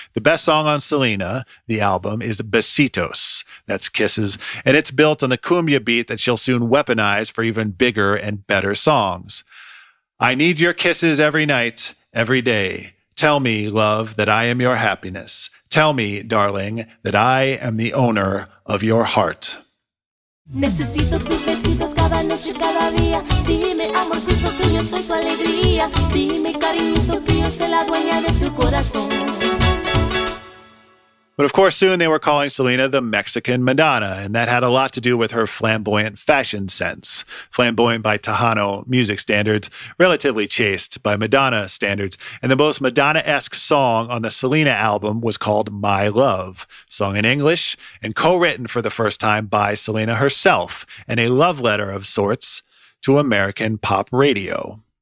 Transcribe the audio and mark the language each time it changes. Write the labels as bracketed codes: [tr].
[en] The best song on Selena, the album, is Besitos, that's Kisses, and it's built on the cumbia beat that she'll soon weaponize for even bigger and better songs. I need your kisses every night, every day. Tell me, love, that I am your happiness. Tell me, darling, that I am the owner of your heart. [es] Necesito tus besitos cada noche, cada día. Dime, amorcito, que yo soy tu alegría. Dime, cariñito, que yo soy la dueña de tu corazón. [en] But of course, soon they were calling Selena the Mexican Madonna, and that had a lot to do with her flamboyant fashion sense. Flamboyant by Tejano music standards, relatively chaste by Madonna standards. And the most Madonna-esque song on the Selena album was called My Love, sung in English and co-written for the first time by Selena herself, and a love letter of sorts to American pop radio.